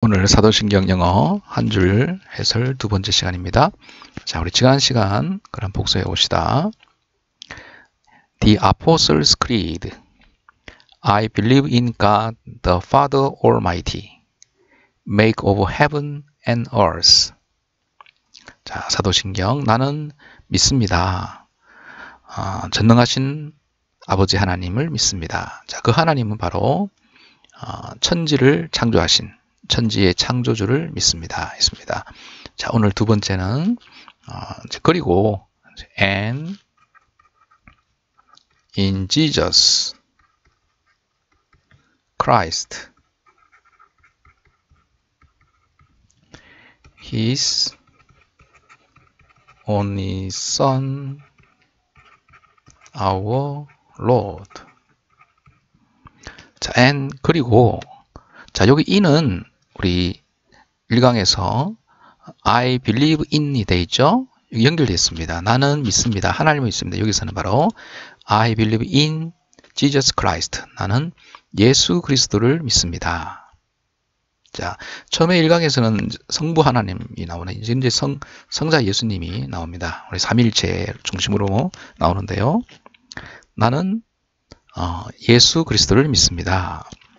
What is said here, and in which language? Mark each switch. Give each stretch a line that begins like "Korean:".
Korean: 오늘 사도신경 영어 한줄 해설 두 번째 시간입니다. 자, 우리 지난 시간 그럼 복습해 봅시다.
English: The Apostles' Creed. I believe in God, the Father Almighty, Maker of heaven and earth.
Korean: 자, 사도신경. 나는 믿습니다. 전능하신 아버지 하나님을 믿습니다. 자, 그 하나님은 바로 천지를 창조하신 천지의 창조주를 믿습니다. 있습니다. 자, 오늘 두 번째는 그리고
English: and in Jesus Christ his only son our Lord.
Korean: 자, and 그리고 자, 여기 in은 우리 1강에서
English: I believe in
Korean: 이 돼 있죠? 연결되어 있습니다. 나는 믿습니다. 하나님은 있습니다.
English: 여기서는 바로 I believe in Jesus Christ.
Korean: 나는 예수 그리스도를 믿습니다. 자, 처음에 1강에서는 성부 하나님이 나오네. 이제 성자 예수님이 나옵니다. 우리 삼위일체 중심으로 나오는데요. 나는 예수 그리스도를 믿습니다.